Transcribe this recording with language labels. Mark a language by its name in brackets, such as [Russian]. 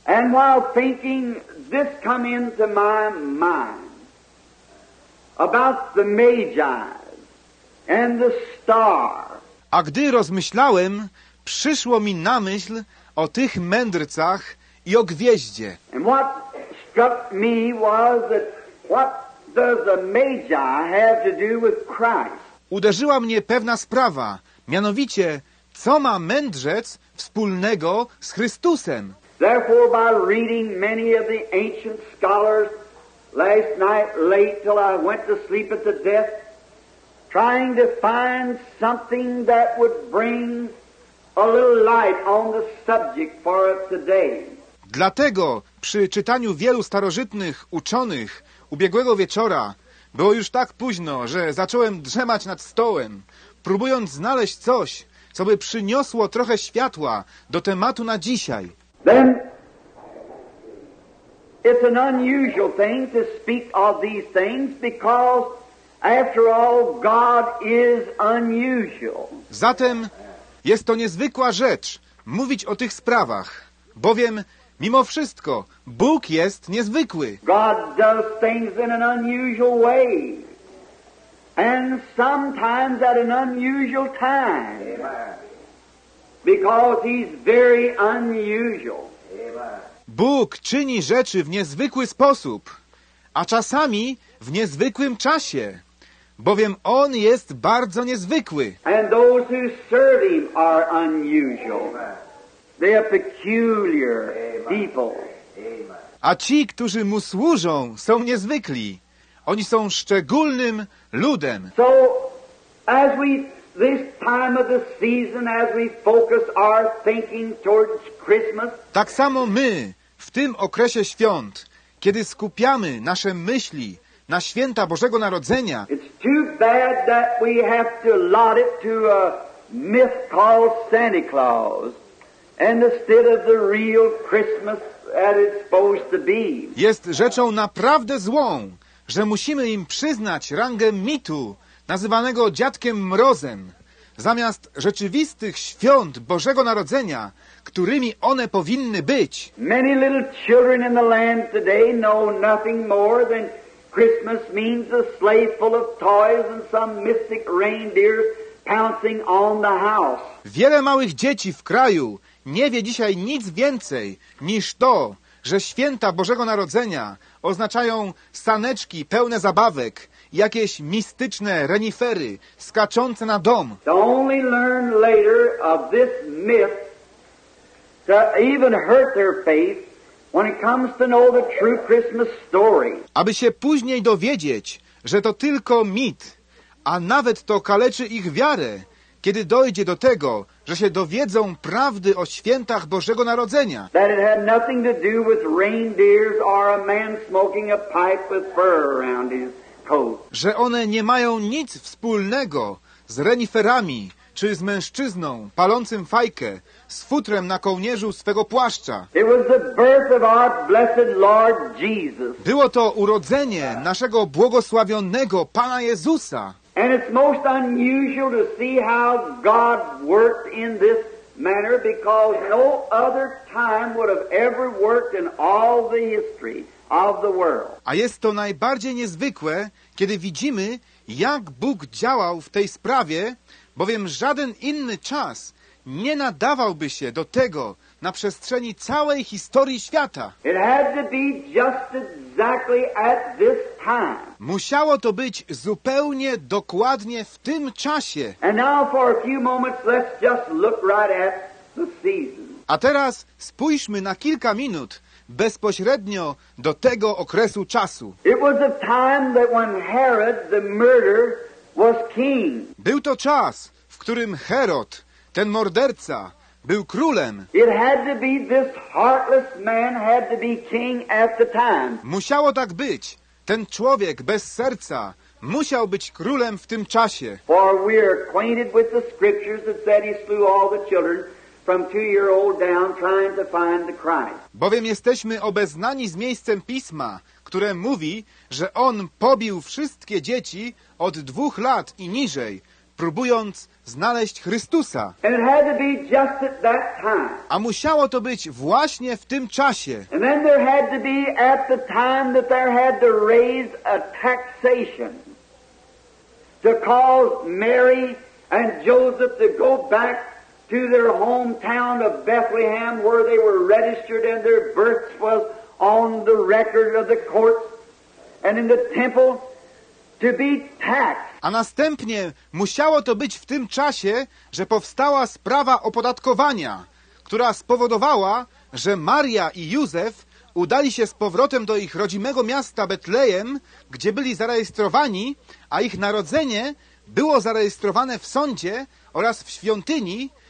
[English] And while thinking this come into my mind about the Magi and the star. [Polish] A gdy rozmyślałem, przyszło mi na myśl o tych mędrcach i o gwieździe. [English] And what struck me was that what does the Magi have to do with Christ? [Polish] Uderzyła mnie pewna sprawa, mianowicie, co ma mędrzec wspólnego z Chrystusem? [English] Therefore, by reading many of the ancient scholars last night late till I went to sleep at the death, trying to find something that would bring a little light on the subject for us today. [Polish] Dlatego przy czytaniu wielu starożytnych uczonych ubiegłego wieczora było już tak późno, że zacząłem drzemać nad stołem, próbując znaleźć coś, co by przyniosło trochę światła do tematu na dzisiaj. [English] Then it's an unusual thing to speak of these things because after all God is unusual. [Polish] Zatem jest to niezwykła rzecz mówić o tych sprawach, bowiem mimo wszystko Bóg jest niezwykły. [English] God does things in an unusual way. And sometimes at an unusual time. Amen. Because he's very unusual. [Polish] Bóg czyni rzeczy w niezwykły sposób, a czasami w niezwykłym czasie, bowiem On jest bardzo niezwykły. [English] And those who serve him are unusual. They are peculiar people. [Polish] A ci, którzy Mu służą, są niezwykli. Oni są szczególnym ludem. [English] So, as we, this time of the season, as we focus our thinking towards Christmas, [Polish] tak samo my, w tym okresie świąt, kiedy skupiamy nasze myśli na święta Bożego Narodzenia, [English] it's too bad that we have to allot it to a myth called Santa Claus, and instead of the real Christmas that it's supposed to be. [Polish] Jest rzeczą naprawdę złą, że musimy im przyznać rangę mitu, nazywanego Dziadkiem Mrozem, zamiast rzeczywistych świąt Bożego Narodzenia, którymi one powinny być. [English] Many little children in the land today know nothing more than Christmas means a sleigh full of toys and some mystic reindeer pouncing on the house. [Polish] Wiele małych dzieci w kraju nie wie dzisiaj nic więcej niż to, że święta Bożego Narodzenia oznaczają saneczki pełne zabawek, jakieś mistyczne renifery skaczące na dom. [English] To only learn later of this myth to even hurt their faith when it comes to know the true Christmas story. [Polish] Aby się później dowiedzieć, że to tylko mit, a nawet to kaleczy ich wiarę, kiedy dojdzie do tego, że się dowiedzą prawdy o świętach Bożego Narodzenia. [English] That it had nothing to do with reindeers or a man smoking a pipe with fur around his coat. [Polish] Że one nie mają nic wspólnego z reniferami czy z mężczyzną palącym fajkę z futrem na kołnierzu swego płaszcza. [English] It was the birth of our blessed Lord Jesus. [Polish] Było to urodzenie naszego błogosławionego Pana Jezusa. [English] And it's most unusual to see how God worked in this manner because no other time would have ever worked in all the history of the world. [Polish] A jest to najbardziej niezwykłe, kiedy widzimy, jak Bóg działał w tej sprawie, bowiem żaden inny czas nie nadawałby się do tego na przestrzeni całej historii świata. [English] It had to be just exactly at this time. [Polish] Musiało to być zupełnie dokładnie w tym czasie. [English] And now for a few moments, let's just look right at the season. [Polish] A teraz spójrzmy na kilka minut bezpośrednio do tego okresu czasu. [English] It was a time that when Herod the murderer was king. [Polish] Był to czas, w którym Herod, ten morderca, był królem. [English] It had to be this heartless man had to be king at the time. [Polish] Musiało tak być. Ten człowiek bez serca musiał być królem w tym czasie. [English] For we are acquainted with the scriptures that said he slew all the children from 2-year-old down trying to find the Christ. [Polish] Bowiem jesteśmy obeznani z miejscem pisma, które mówi, że on pobił wszystkie dzieci od 2 lat i niżej, próbując znaleźć Chrystusa. [English] And it had to be just at that time. [Polish] A musiało to być właśnie w tym czasie. [English] And then there had to be at the time that there had to raise a taxation to cause Mary and Joseph to go back to their hometown of Bethlehem where they were registered and their birth was on the record of the courts and in the temple to be taxed. [Polish] A następnie musiało to być w tym czasie, że powstała sprawa opodatkowania, która spowodowała, że Maria i Józef udali się z powrotem do ich rodzimego miasta Betlejem, gdzie byli zarejestrowani, a ich narodzenie było zarejestrowane w sądzie oraz w świątyni,